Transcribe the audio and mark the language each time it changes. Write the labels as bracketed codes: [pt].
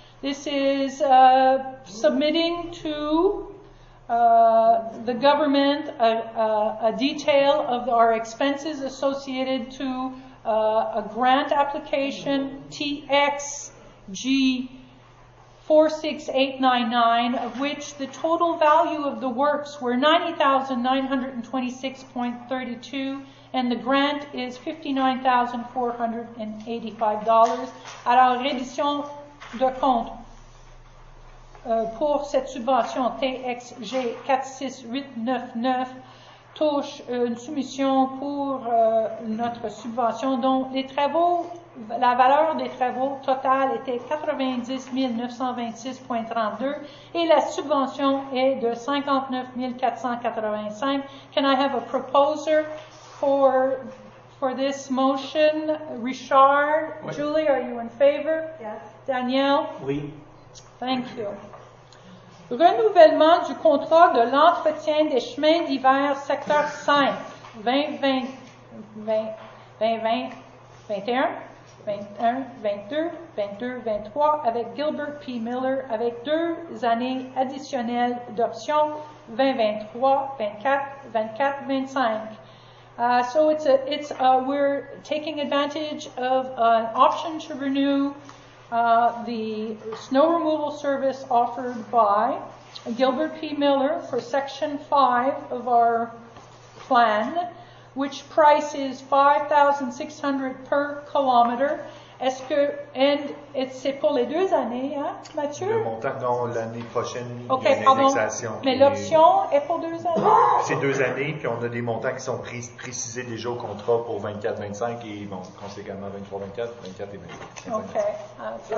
[en] This is submitting to the government a detail of our expenses associated to a grant application, TXG46899, of which the total value of the works were $90,926.32, and the grant is $59,485. [fr] Alors, reddition de compte pour cette subvention TXG46899. Touche une soumission pour notre subvention dont les travaux, la valeur des travaux totale était 90 926.32 et la subvention est de 59 485. [en] Can I have a proposer for this motion? Richard, [fr] oui. [en] Julie, are you in favor? Yes. Danielle? [fr] Oui. [en] Thank you. [fr] Renouvellement du contrat de l'entretien des chemins d'hiver secteur 5, 2021, 2022, 2023 avec Gilbert P. Miller avec deux années additionnelles d'option 2023, 2024, 2025. [en] So we're taking advantage of an option to renew The snow removal service offered by Gilbert P. Miller for Section 5 of our plan, which price is $5,600 per kilometer. [fr] Est-ce que, [en] and it's [fr] pour les deux années, hein, Mathieu? Le montant, non, l'année prochaine, okay, il y a une indexation. Mais l'option est pour deux années? C'est deux années, puis on a des montants qui sont précisés déjà au contrat pour 24-25 et, bon, conséquemment 23-24, 24 et 25.